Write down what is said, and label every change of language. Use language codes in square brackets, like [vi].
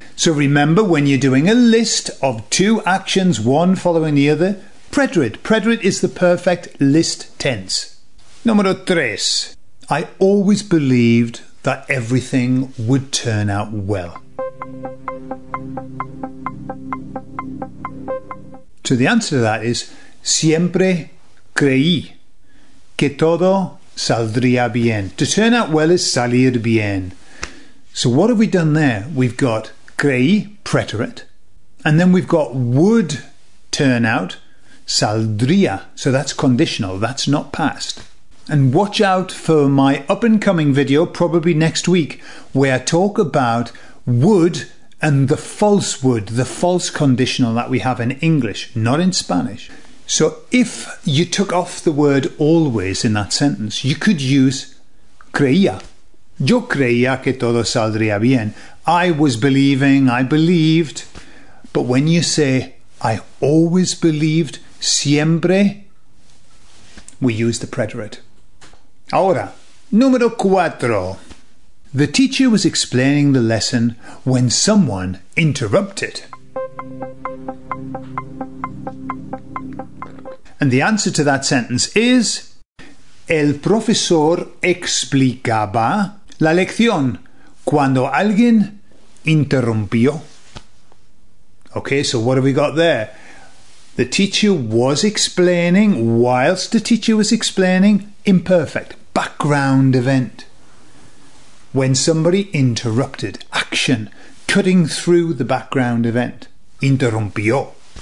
[en] So, remember, when you're doing a list of two actions, one following the other, preterite. Preterite is the perfect list tense. [es] Número tres. [en] I always believed that everything would turn out well. So the answer to that is, [es] siempre creí que todo saldría bien. [en] To turn out well is salir bien. So what have we done there? We've got creí, preterite, and then we've got would turn out, saldría. So that's conditional, that's not past. And watch out for my up-and-coming video, probably next week, where I talk about would and the false would, the false conditional that we have in English, not in Spanish. So if you took off the word always in that sentence, you could use creía. [es] Yo creía que todo saldría bien. [en] I was believing, I believed. But when you say, I always believed, siempre, we use the preterite. [es] Ahora, número cuatro. [en] The teacher was explaining the lesson when someone interrupted. And the answer to that sentence is, [es] el profesor explicaba la lección cuando alguien interrumpió. [en] Okay, so what have we got there? The teacher was explaining, whilst the teacher was explaining, imperfect. Background event, when somebody interrupted, action, cutting through the background event, interrumpió.